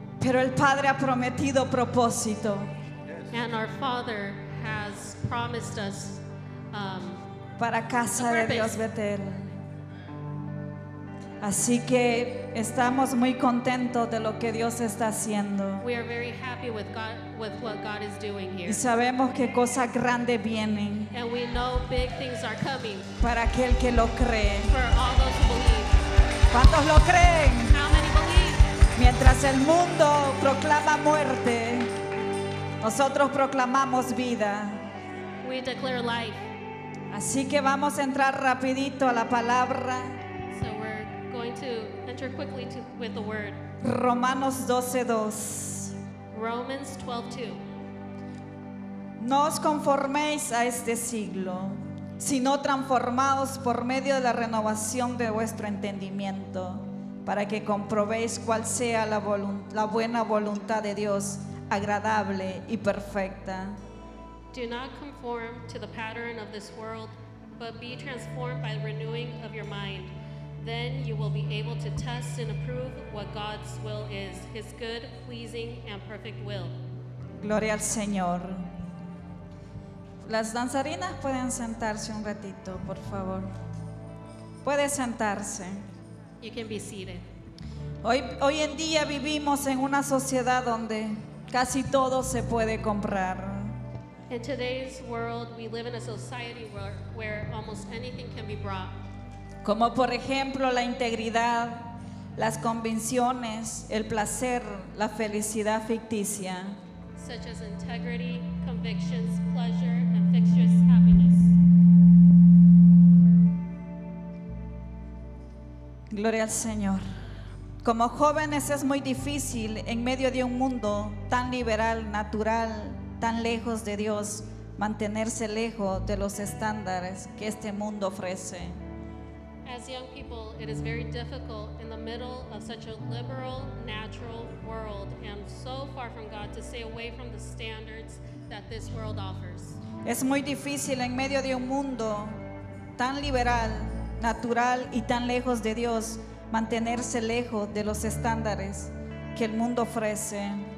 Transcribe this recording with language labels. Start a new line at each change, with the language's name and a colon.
Spanish: Pero el Padre ha prometido propósito.
English: And our Father has promised us
Spanish: para casa de Dios Betel. Así que estamos muy contentos de lo que Dios está haciendo.
English: We are very happy with God, with what God is doing here.
Spanish: Y sabemos que cosas grandes vienen.
English: And we know big things are coming.
Spanish: Para aquel que lo cree.
English: For all those who believe.
Spanish: ¿Cuántos lo creen?
English: How many believe?
Spanish: Mientras el mundo proclama muerte, nosotros proclamamos vida.
English: We declare life.
Spanish: Así que vamos a entrar rapidito a la palabra.
English: To enter quickly to, with the word.
Spanish: Romanos 12:2.
English: Romans 12:2.
Spanish: No os conforméis a este siglo, sino transformaos por medio de la renovación de vuestro entendimiento, para que comprobéis cuál sea la buena voluntad de Dios, agradable y perfecta.
English: Do not conform to the pattern of this world, but be transformed by the renewing of your mind. Then you will be able to test and approve what God's will is, His good, pleasing, and perfect will.
Spanish: Gloria al Señor. Las danzarinas pueden sentarse un ratito, por favor. Puede sentarse.
English: You can be seated.
Spanish: Hoy en día vivimos en una sociedad donde casi todo se puede comprar.
English: In today's world, we live in a society where almost anything can be bought.
Spanish: Como por ejemplo la integridad, las convicciones, el placer, la felicidad ficticia.
English: Such as integrity, convictions, pleasure, and fictitious happiness.
Spanish: Gloria al Señor. Como jóvenes es muy difícil en medio de un mundo tan liberal, natural, tan lejos de Dios, mantenerse lejos de los estándares que este mundo ofrece.
English: As young people, it is very difficult in the middle of such a liberal, natural world and so far from God to stay away from the standards that this world offers.
Spanish: Es muy difícil en medio de un mundo tan liberal, natural y tan lejos de Dios mantenerse lejos de los estándares que el mundo ofrece.